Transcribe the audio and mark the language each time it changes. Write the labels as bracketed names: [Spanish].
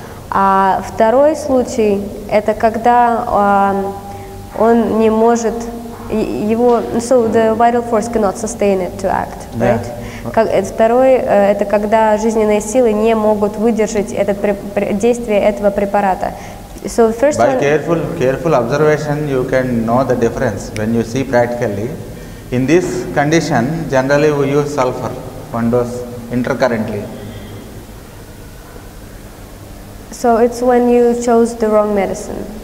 [Russian] А второй случай – это когда он не может, его, [English] so the vital force cannot sustain it to act, right? Yeah. [Russian] Второй – это когда жизненные силы не могут выдержать действие этого препарата. [English] So first by careful observation, you can know the difference when you see practically. In this condition, generally we use sulfur, one dose, intercurrently. So it's when you chose the wrong medicine?